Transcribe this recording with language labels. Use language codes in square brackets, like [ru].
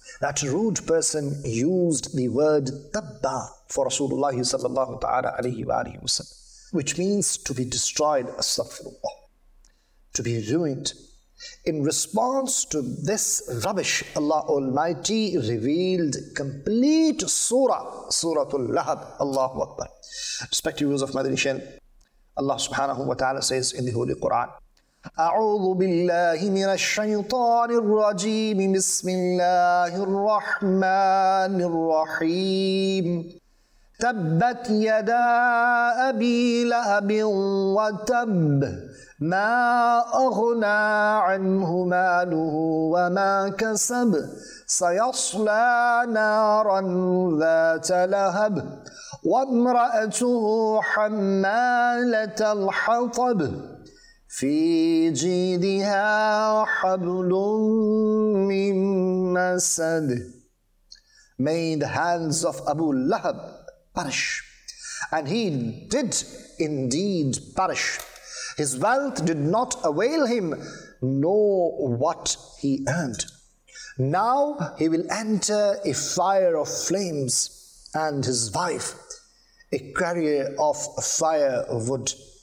[en] That rude person used the word tabba for Rasulullah sallallahu ta'ala alayhi wa alayhi wa sallam, which means to be destroyed, astaghfirullah, to be ruined. In response to this rubbish, Allah Almighty revealed complete surah, Suratul Lahab, Allahu Akbar. Respective views of Madani Shen, Allah subhanahu wa ta'ala says in the Holy Quran, [ar] أعوذ بالله من الشيطان الرجيم بسم الله الرحمن الرحيم تبت يدا أبي لهب وتب ما أغنى عنه ماله وما كسب سيصلى نارا ذات لهب وامرأته حمالة الحطب في جيدها حبل من مسد. [en] May the hands of Abu Lahab perish. And he did indeed perish. His wealth did not avail him, nor what he earned. Now he will enter a fire of flames, and his wife, a carrier of firewood.